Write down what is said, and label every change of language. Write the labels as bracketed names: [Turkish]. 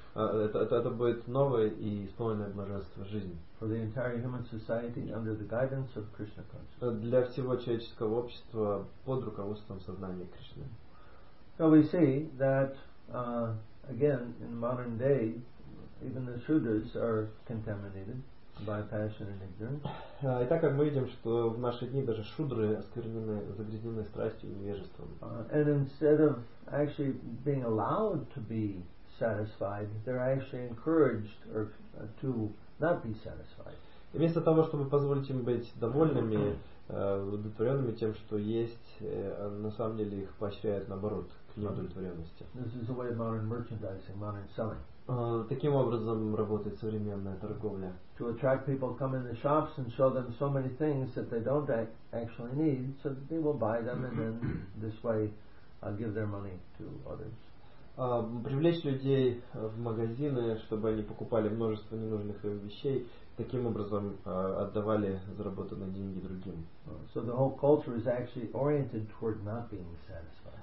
[Russian] Это будет новое и исполненное блаженство жизни. [English] For the entire human society under the guidance of Krishna consciousness. [Russian] Для всего человеческого общества под руководством сознания Кришны. [English] So we see that again in modern day, even the Shudras are contaminated by passion and ignorance. [Russian] Итак, как мы видим, что в наши дни даже шудры оскорблены, загрязнены страстью и невежеством. [English] And instead of actually being allowed to be satisfied, they're actually encouraged or to not be satisfied. [Russian] И вместо того, чтобы позволить им быть довольными, удовлетворенными тем, что есть, на самом деле их поощряют наоборот к неудовлетворенности. [English] This is the way of modern merchandising, modern selling. [Russian] Таким образом работает современная торговля. [English] To attract people to come in the shops and show them so many things that they don't actually need, so that they will buy them and then this way give their money to others. [Russian] Привлечь людей в магазины, чтобы они покупали множество ненужных им вещей, таким образом отдавали заработанные деньги другим. [English] So the whole culture is actually oriented toward not being satisfied.